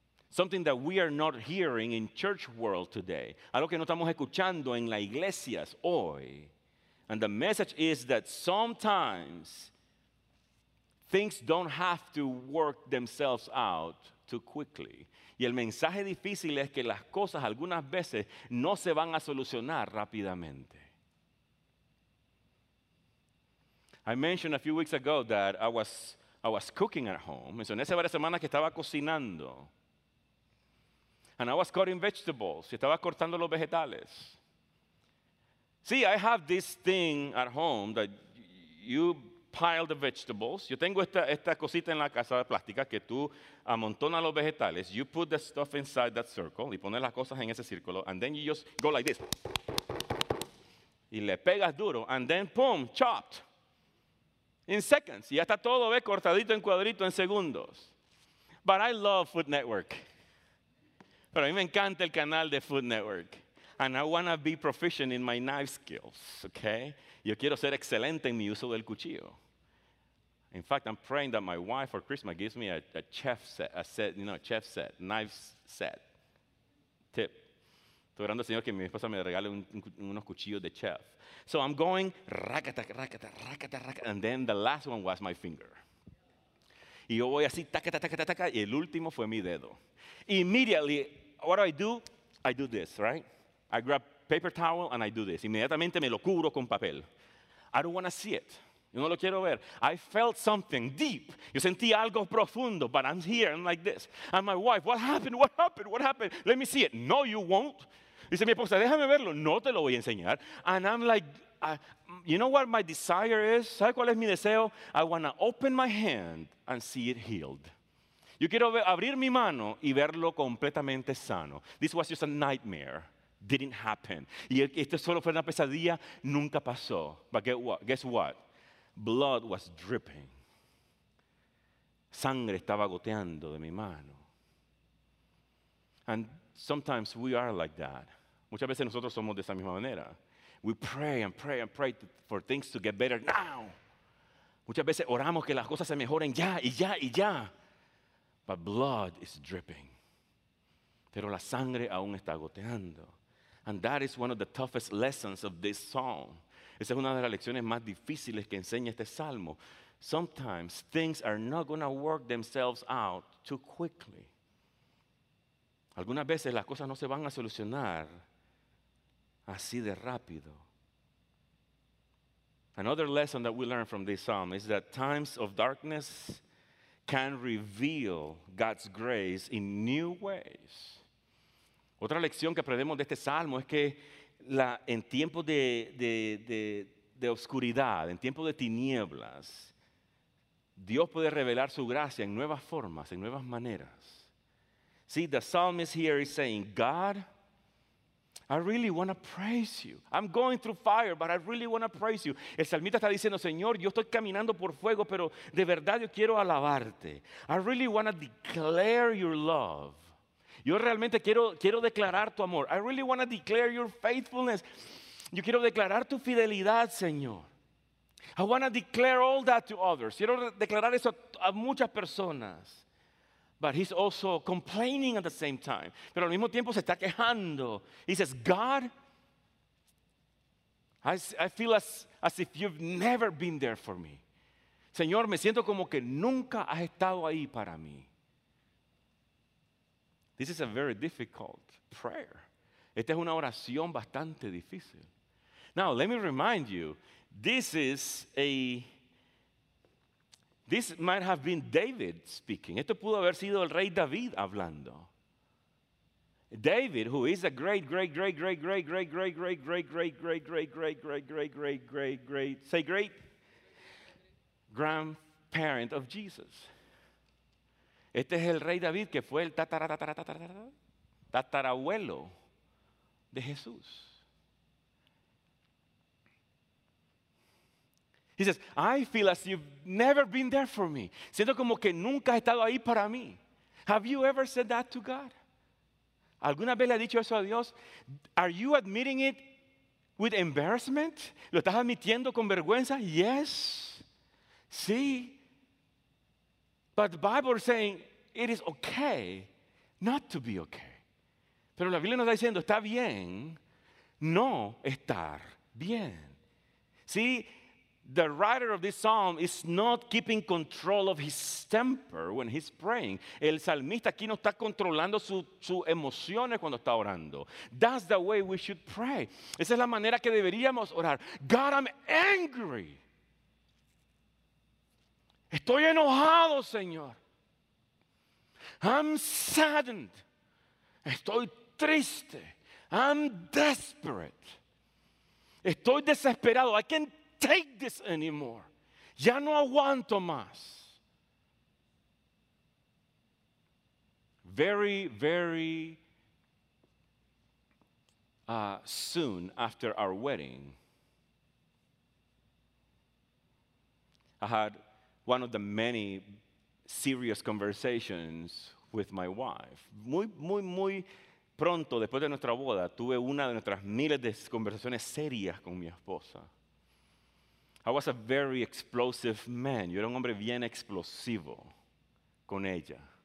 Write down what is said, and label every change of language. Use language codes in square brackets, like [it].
[en] Something that we are not hearing in church world today. [es] Algo que no estamos escuchando en las iglesias hoy. [en] And the message is that sometimes things don't have to work themselves out too quickly. [es] Y el mensaje difícil es que las cosas algunas veces no se van a solucionar rápidamente. [en] I mentioned a few weeks ago that I was cooking at home. [es] Mencioné hace varias semanas que estaba cocinando. [en] And I was cutting vegetables. [es] Y estaba cortando los vegetales. [en] See, I have this thing at home that you pile the vegetables. [es] Yo tengo esta cosita en la casa de plástica que tú amontonas los vegetales. [en] You put the stuff inside that circle. [es] Y pones las cosas en ese círculo. [en] And then you just go like this. [es] Y le pegas duro. [en] And then, boom, chopped. In seconds. [es] Y ya está todo, ¿ves? Cortadito en cuadrito en segundos. [en] But I love Food Network. [es] Pero a mí me encanta el canal de Food Network. [en] And I want to be proficient in my knife skills, okay? [es] Yo quiero ser excelente en mi uso del cuchillo. [en] In fact, I'm praying that my wife for Christmas gives me a chef set, knife set, tip. [es] Estoy orando al Señor que mi esposa me regale unos cuchillos de chef. [en] So I'm going, racata, racata, racata, racata, and then the last one was my finger. [es] Y yo voy así, taca, taca, taca, taca, y el último fue mi dedo. [en] Immediately, what do? I do this, right? I grab paper towel and I do this. [es] Inmediatamente me lo cubro con papel. [en] I don't want to see it. [es] Yo no lo quiero ver. [en] I felt something deep. [es] Yo sentí algo profundo, [en] but I'm here, I'm like this. And my wife, what happened? What happened? What happened? Let me see it. No, you won't. [es] Dice mi esposa, déjame verlo. No te lo voy a enseñar. [en] And I'm like, you know what my desire is? [es] ¿Sabe cuál es mi deseo? [en] I want to open my hand and see it healed. [es] Yo quiero abrir mi mano y verlo completamente sano. [en] This was just a nightmare. Didn't happen. [es] Y esto solo fue una pesadilla. Nunca pasó. [en] But guess what? Blood was dripping. [es] Sangre estaba goteando de mi mano. [en] And sometimes we are like that. [es] Muchas veces nosotros somos de esa misma manera. [en] We pray and pray and pray for things to get better now. [es] Muchas veces oramos que las cosas se mejoren ya y ya y ya. [en] But blood is dripping. [es] Pero la sangre aún está goteando. [en] And that is one of the toughest lessons of this psalm. [es] Esa es una de las lecciones más difíciles que enseña este salmo. [en] Sometimes things are not going to work themselves out too quickly. [es] Algunas veces las cosas no se van a solucionar así de rápido. [en] Another lesson that we learn from this psalm is that times of darkness can reveal God's grace in new ways. [es] Otra lección que aprendemos de este salmo es que en tiempos de oscuridad, en tiempos de tinieblas, Dios puede revelar su gracia en nuevas formas, en nuevas maneras. [en] See, the psalmist here is saying, God, I really want to praise you. I'm going through fire, but I really want to praise you. [es] El salmista está diciendo, Señor, yo estoy caminando por fuego, pero de verdad yo quiero alabarte. [en] I really want to declare your love. [es] Yo realmente quiero declarar tu amor. [en] I really want to declare your faithfulness. [es] Yo quiero declarar tu fidelidad, Señor. [en] I want to declare all that to others. [es] Quiero declarar eso a muchas personas. [en] But he's also complaining at the same time. [es] Pero al mismo tiempo se está quejando. [en] He says, God, I feel as if you've never been there for me. [es] Señor, me siento como que nunca has estado ahí para mí. [en] This is a very difficult prayer. [es] Esta es una oración bastante difícil. [en] Now, let me remind you, this might have been David speaking. [es] Esto pudo haber sido el rey David hablando. [en] David, who is a great, great, great, great, great, great, great, great, great, great, great, great, great, great, great, great, great, great, say great, grandparent of Jesus. [es] Este es el rey David que fue el tatarabuelo de Jesús. [en] He says, I feel as you've never been there for me. [es] Siento como que nunca has estado ahí para mí. [en] Have you ever said that to God? [es] ¿Alguna vez le ha dicho eso a Dios? [en] Are you admitting it with embarrassment? [es] ¿Lo estás admitiendo con vergüenza? [en] Yes. [es] Sí. [en] But the Bible is saying, it is okay not to be okay. [es] Pero la Biblia nos está diciendo, está bien no estar bien. [en] See, the writer of this psalm is not keeping control of his temper when he's praying. [es] El salmista aquí no está controlando sus emociones cuando está orando. [en] That's the way we should pray. [es] Esa es la manera que deberíamos orar. [en] God, I'm angry. [es] Estoy enojado, Señor. [en] I'm saddened [es] Estoy triste. [en] I'm desperate. [es] Estoy desesperado. [en] I can't take this anymore. [es] Ya no aguanto más. [en] Very, very soon after our wedding, I had one of the many serious conversations with my wife. [es] Muy, muy, muy pronto, después de nuestra boda, tuve una de nuestras miles de conversaciones serias con mi esposa. I was a very explosive man. Yo era un hombre bien explosivo con ella.